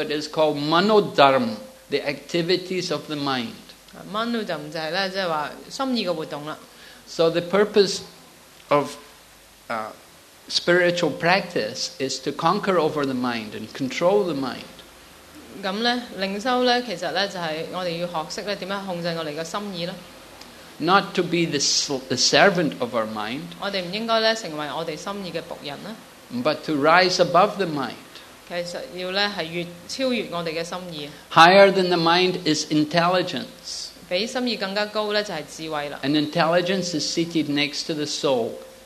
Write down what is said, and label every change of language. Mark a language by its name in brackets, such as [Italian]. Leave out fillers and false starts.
[English] it is called Manodharma, the activities of the mind. [Chinese] Manodharma 即是说心意的活动。So [English] the purpose of spiritual practice is to conquer over the mind and control the mind. [Chinese] 那么灵修其实就是我们要学会怎样控制我们的心意。 [English] Not to be the servant of our mind, but to rise above the mind. Higher than the mind is intelligence. And intelligence is seated next to the soul.